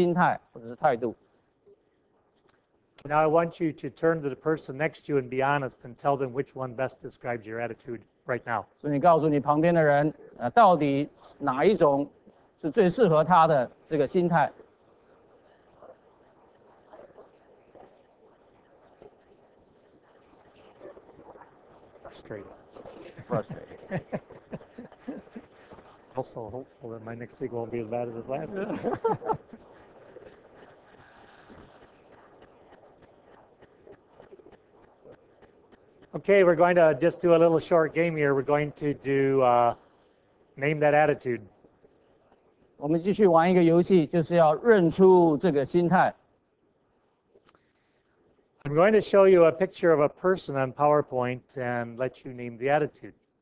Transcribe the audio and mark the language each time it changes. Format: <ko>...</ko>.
<zh>我想了这些这么多，其实就是想到，或者是有的人有很细腻的，或者是马虎的，或者是被容易挑剔的、指责的、被逆的、喜乐的、饶恕等等，很多不同种的心态或者是态度。</zh> <en>Now I want you to turn to the person next to you and be honest and tell them which one best describes your attitude right now.</en> <zh>所以你告诉你旁边的人，到底哪一种？是最适合他的这个心态。</zh> <en>Frustrated. Also hopeful that my next week won't be as bad as this last week. Okay, we're going to just do a little short game here. We're going to do name that attitude.</en> <zh>我们继续玩一个游戏，就是要认出这个心态。</zh> <en>I'm going to show you a picture of a person on PowerPoint and let you name the attitude.</en>